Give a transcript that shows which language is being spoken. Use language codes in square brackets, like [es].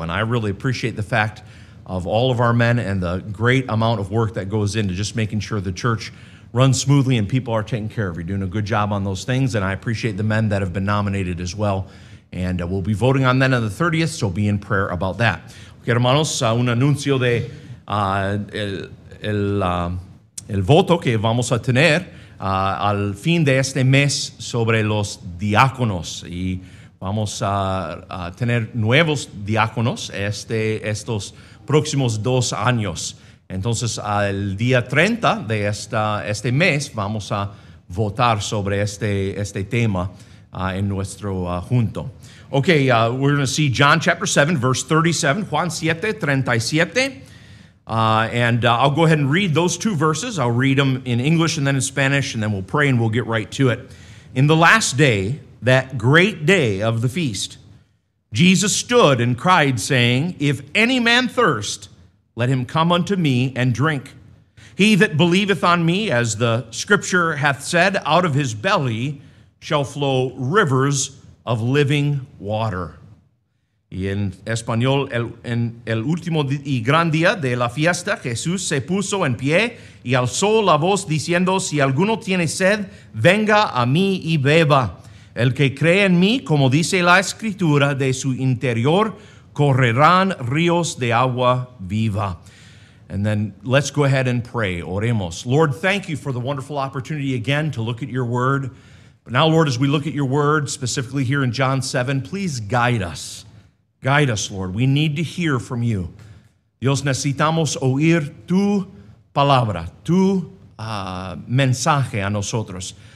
[en] And I really appreciate the fact of all of our men and the great amount of work that goes into just making sure the church runs smoothly and people are taken care of. You're doing a good job on those things, and I appreciate the men that have been nominated as well. And we'll be voting on that on the 30th, so be in prayer about that. [es] Okay, hermanos, un anuncio de el voto que vamos a tener al fin de este mes sobre los diáconos. Y vamos a tener nuevos diáconos estos próximos 2 años. Entonces, al día 30 de este mes, vamos a votar sobre este tema en nuestro junto. [en] Okay, we're going to see John chapter 7, verse 37, Juan 7, 37. I'll go ahead and read those two verses. I'll read them in English and then in Spanish, and then we'll pray and we'll get right to it. In the last day, that great day of the feast, Jesus stood and cried, saying, "If any man thirst, let him come unto me and drink. He that believeth on me, as the scripture hath said, out of his belly shall flow rivers of living water." [es] Y en español, en el último y gran día de la fiesta, Jesús se puso en pie y alzó la voz diciendo, "Si alguno tiene sed, venga a mí y beba. El que cree en mí, como dice la Escritura, de su interior correrán ríos de agua viva." [en] And then let's go ahead and pray. [es] Oremos. [en] Lord, thank you for the wonderful opportunity again to look at your word. But now, Lord, as we look at your word, specifically here in John 7, please guide us. Guide us, Lord. We need to hear from you. [es] Dios, necesitamos oír tu palabra, tu mensaje a nosotros.